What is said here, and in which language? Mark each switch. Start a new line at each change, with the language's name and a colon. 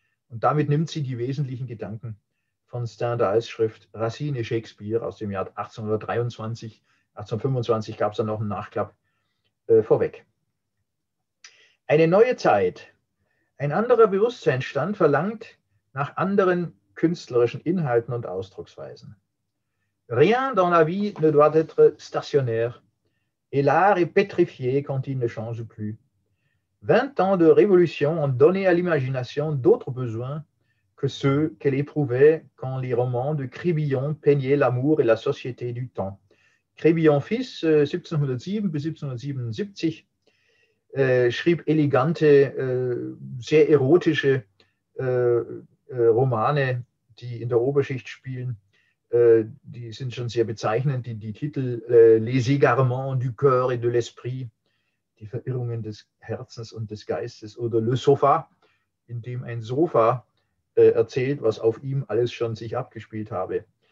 German: Und damit nimmt sie die wesentlichen Gedanken von Stendhals Schrift Racine Shakespeare aus dem Jahr 1823, 1825 gab es dann noch einen Nachklapp, vorweg. Eine neue Zeit, ein anderer Bewusstseinsstand verlangt nach anderen künstlerischen Inhalten und Ausdrucksweisen.
French: Rien dans la vie ne doit être stationnaire, et l'art est pétrifié quand il ne change plus. 20 ans de révolution ont donné à l'imagination d'autres besoins que ceux qu'elle éprouvait quand les romans de Crébillon peignaient l'amour et la société du temps.
German: Crébillon fils, 1707 bis 1777, schrieb elegante, sehr erotische Romane, die in der Oberschicht spielen. Die sind schon sehr bezeichnend, die Titel Les Égarements du Cœur et de l'Esprit, die Verirrungen des Herzens und des Geistes, oder Le Sofa, in dem ein Sofa erzählt, was auf ihm alles schon sich abgespielt habe.